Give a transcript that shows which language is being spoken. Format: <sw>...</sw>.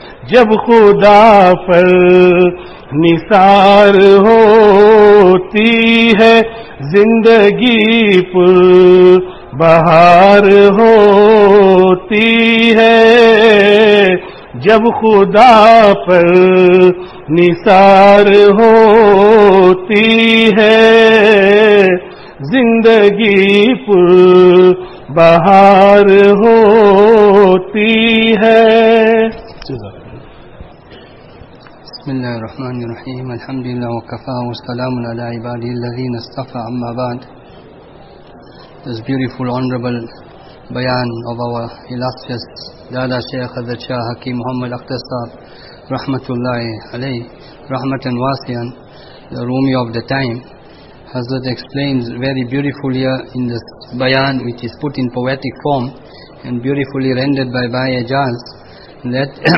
<ur>جب خدا پر نثار ہوتی ہے, زندگی پر بہار ہوتی ہے, جب خدا پر نثار ہوتی ہے, زندگی پر بہار ہوتی ہے.</ur> <ar>بسم الله الرحمن الرحيم. الحمد لله وكفى والسلام على عباده الذين اصطفى. أما بعد,</ar> <en>this beautiful honorable bayan of our illustrious Dada Shaykh Hazrat Shah Hakim Muhammad Akhtar Sahib Rahmatullahi Alayhi Rahmatan Wasiyan, the Rumi of the time, Hazrat explains very beautifully in this bayan, which is put in poetic form and beautifully rendered by Bhai Ajaz, that</en>